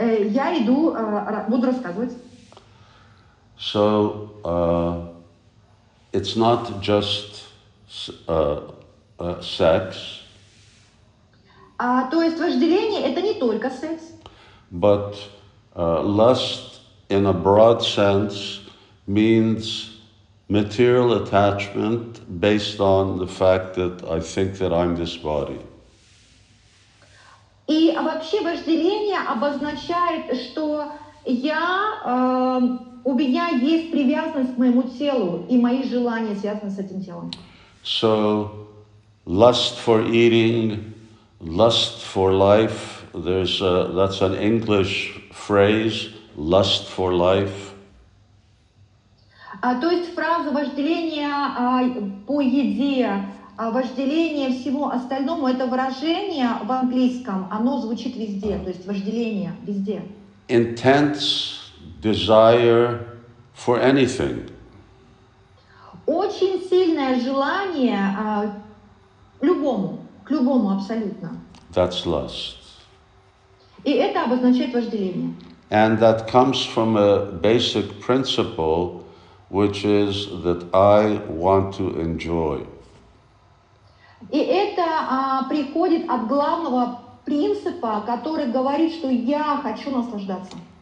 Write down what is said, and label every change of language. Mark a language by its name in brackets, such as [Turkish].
[Russian] Я иду буду рассказывать. [English] So, it's not just sex. [Russian] То есть вожделение это не только секс. [English] But lust, in a broad sense, means material attachment based on the fact that I think that I'm this body. [Russian] И вообще вожделение обозначает, что я у меня есть привязанность к моему телу и мои желания связаны с этим телом. [English] So, lust for eating, lust for life, that's an English phrase, lust for life. [Russian] То есть фраза вожделение по еде, вожделение всего остальному, это выражение в английском, оно звучит везде, то есть вожделение везде. [English] Intense desire for anything. [Russian] Очень сильное желание любому, к любому абсолютно. [English] That's lust. [Russian] И это обозначает вожделение. [English] And that comes from a basic principle, which is that I want to enjoy. [Russian] И это приходит от главного принципа, который говорит, что я хочу наслаждаться.